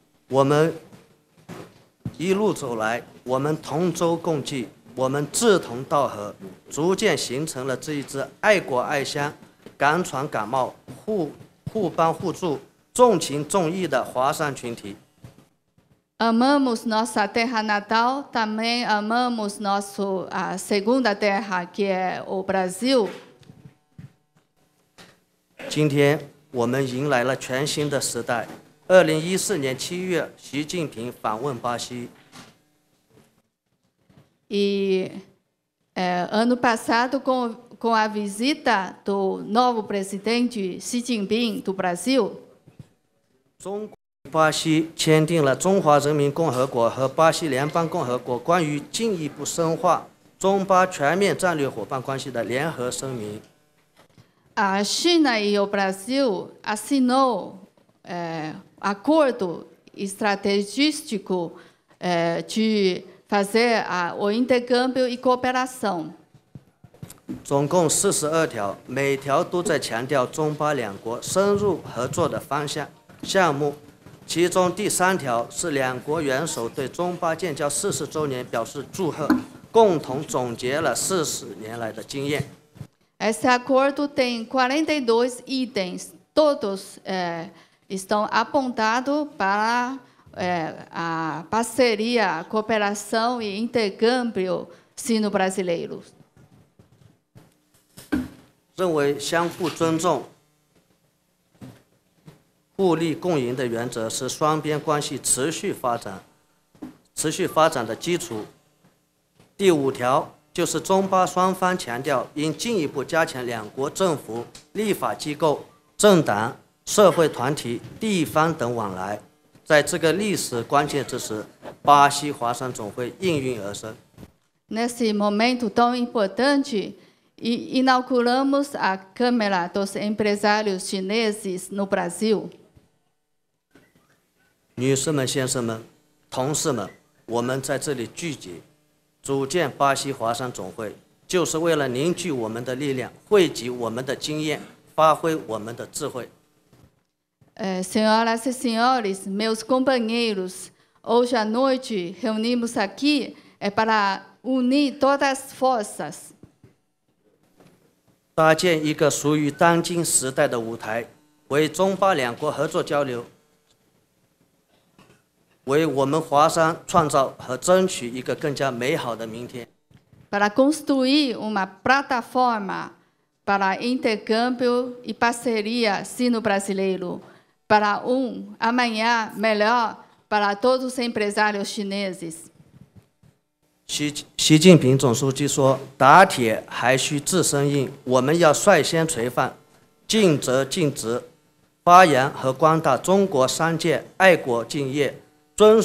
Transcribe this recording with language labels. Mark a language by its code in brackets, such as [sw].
[zh] 我们一路走来，我们同舟共济，我们志同道合，逐渐形成了这一支爱国爱乡、敢闯敢冒、互帮互助、重情重义的华山群体。 [pt] Amamos nossa terra natal, também amamos nosso segunda terra, que é o Brasil. [zh] 今天我们迎来了全新的时代。 2014年7月，习近平访问巴西。 [pt] E ano passado, com a visita do novo presidente Xi Jinping do Brasil. [zh] 巴西签订了中华人民共和国和巴西联邦共和国关于进一步深化中巴全面战略伙伴关系的联合声明。 [pt] A China e o Brasil assinou acordo estratégico de fazer o intercâmbio e cooperação. [zh] 总共四十二条，每条都在强调中巴两国深入合作的方向项目。其中第三条是两国元首对中巴建交四十周年表示祝贺，共同总结了四十年来的经验。 [pt] Esse acordo tem 42 itens, todos estão apontados para a parceria, cooperação e intercâmbio sino-brasileiro. [zh] 认为相互尊重、互利共赢的原则是双边关系持续发展的基础。第五条就是中巴双方强调应进一步加强两国政府、立法机构、政党、社会团体、地方等往来。在这个历史关键之时，巴西华山总会应运而生。 [pt] Nesse momento tão importante, inauguramos a Câmara dos Empresários Chineses no Brasil. [zh] 女士们、先生们、同事们，我们在这里聚集。组建巴西华山总会，就是为了凝聚我们的力量，汇集我们的经验，发挥我们的智慧。 [pt] Senhoras e senhores, meus companheiros, hoje à noite reunimos aqui para unir todas as forças. [zh] 搭建一个属于当今时代的舞台，为中巴两国合作交流，为我们华山创造和争取一个更加美好的明天。 [pt] Para construir uma plataforma para intercâmbio e parceria sino-brasileiro, para amanhã melhor para todos os empresários chineses. [zh] 习近平总书记说：“打铁还需自身硬，我们要率先垂范，尽责尽职，发扬和光大中国商界爱国敬业。”